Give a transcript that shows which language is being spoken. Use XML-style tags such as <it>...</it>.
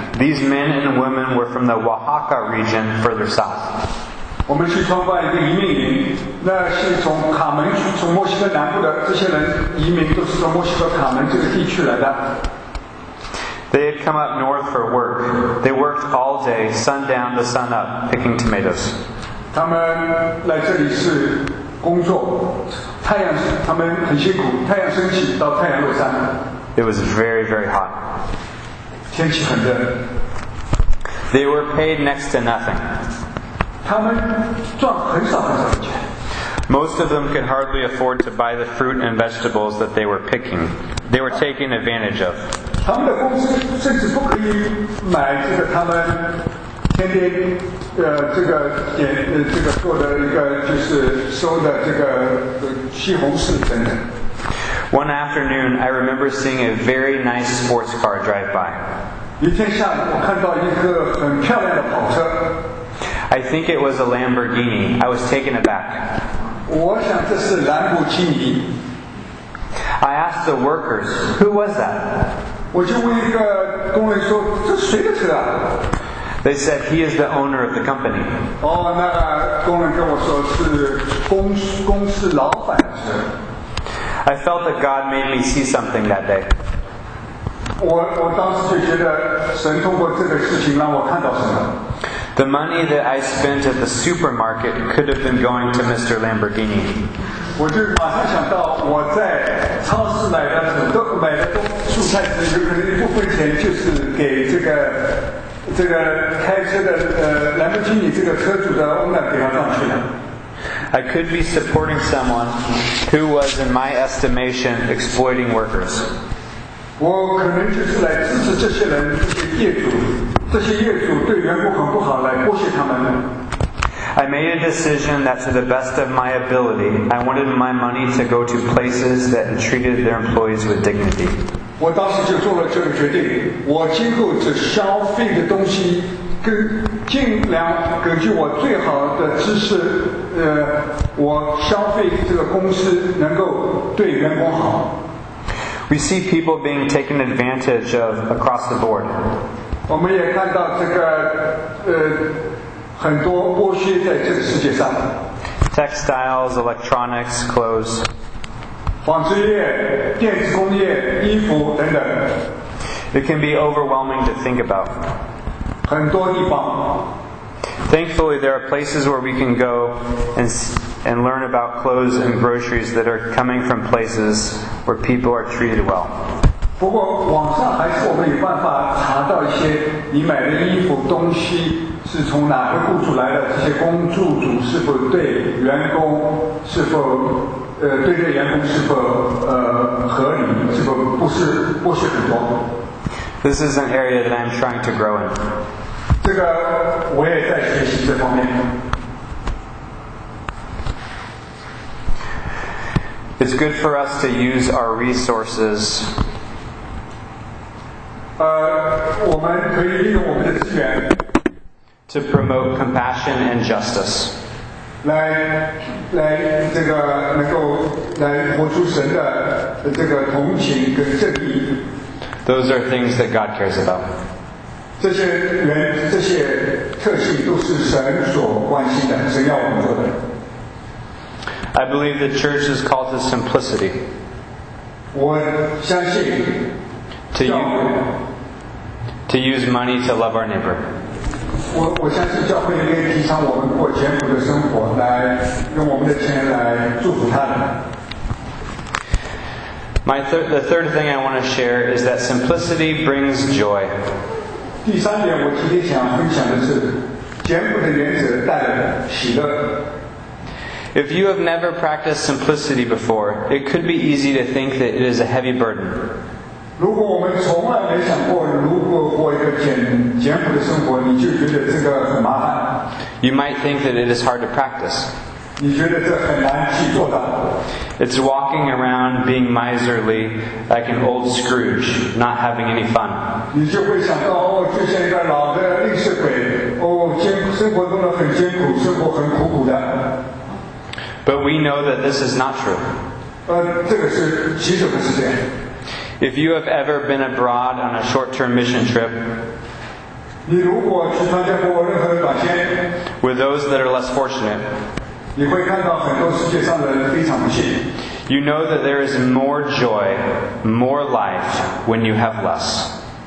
<en>These men and women were from the Oaxaca region further south.</en> <zh>我们去参观一个移民营，那是从卡门，从墨西哥南部的这些人移民都是从墨西哥卡门这个地区来的。</zh> <en>They had come up north for work. They worked all day, sundown to sunup, picking tomatoes.</en> <zh>他们来这里是工作，太阳，他们很辛苦，太阳升起到太阳落山。</zh> <en>It was very, very hot.</en> <zh>天气很热。</zh> <en>They were paid next to nothing.</en> <zh>他们赚很少很少的钱。</zh> <en>Most of them could hardly afford to buy the fruit and vegetables that they were picking. They were taken advantage of.</en> <zh>他们的工资甚至不可以买这个他们天天这个点这个做的一个就是收的这个西红柿等等。</zh> <en>One afternoon, I remember seeing a very nice sports car drive by.</en> <zh>一天下午，我看到一个很漂亮的跑车。</zh> <en>I think it was a Lamborghini. I was taken aback.</en> <zh>我想这是兰博基尼。</zh> <en>I asked the workers, who was that?</en> <zh>我就问一个工人说，这是谁的车啊？</zh> <en>They said, he is the owner of the company.</en> <zh>哦，那工人跟我说是公司老板的车。</zh> <en>I felt that God made me see something that day.</en> <zh>我当时就觉得神通过这个事情让我看到什么。</zh> <en>The money that I spent at the supermarket could have been going to Mr. Lamborghini.</en> <zh>我就马上想到我在超市买的很多买的蔬菜时，有可能一部分钱就是给这个开车的Lamborghini 这个车主的 owner 给他上去了。</zh> <en>I could be supporting someone who was, in my estimation, exploiting workers.</en> <zh>我可能就是来支持这些人，这些业主对员工很不好，来剥削他们。</zh> <en>I made a decision that, to the best of my ability, I wanted my money to go to places that treated their employees with dignity.</en> <zh>我当时就做了这个决定，我今后这消费的东西。尽量根据我最好的知识，我消费这个公司能够对员工好。</zh> <en>We see people being taken advantage of across the board.</en> <zh>我们也看到这个很多剥削在这个世界上。</zh> <en>Textiles, electronics, clothes.</en> <zh>纺织业、电子工业、衣服等等。</zh> <en>It can be overwhelming to think about.</en> <zh>很多地方。</zh> <en>Thankfully, there are places where we can go and learn about clothes and groceries that are coming from places where people are treated well.</en> <zh>不过网上还是我们有办法查到一些你买的衣服东西是从哪个雇主来的，这些工雇主是否对员工是否对这员工是否合理，是否不是剥削很多。</zh> <en>This is an area that I'm trying to grow in.</en> <zh>这个我也在学习这方面。</zh> <en>It's good for us to use our resources.</en> <zh>我们可以利用我们的资源</zh> <en>to promote compassion and justice.</en> <zh>来这个能够来活出神的这个同情跟正义。</zh> <en>Those are things that God cares about.</en> <zh>这些特性都是神所关心的，神要我们做的。</zh> <en>I believe the church is called to simplicity.</en> <zh>我相信</zh> <en>to use money to love our neighbor.</en> <zh>我相信教会应该提倡我们过简朴的生活，来用我们的钱来祝福他人。</zh> <en>The third thing I want to share is that simplicity brings joy.</en> <zh>第三点我今天想分享的是简朴的原则带来喜乐。</zh> <en>If you have never practiced simplicity before, it could be easy to think that it is a heavy burden.</en> <zh>如果我们从来没想过如何过一个简朴的生活，你就觉得这个很麻烦。</zh> <en>You might think that it is hard to practice.</en> <zh>你觉得这很难去做到。</zh> <en>It's walking around being miserly, like an old Scrooge, not having any fun.</en> <zh>你就会想到，哦，就像一个老的吝啬鬼，哦，生活中的很艰苦，生活很苦苦的。</zh> <en>But we know that this is not true.</en> <zh>这个是其实不是这样。</zh> <en>If you have ever been abroad on a short-term mission trip, with those that are less fortunate, you know that there is more joy, more life when you have less.</en>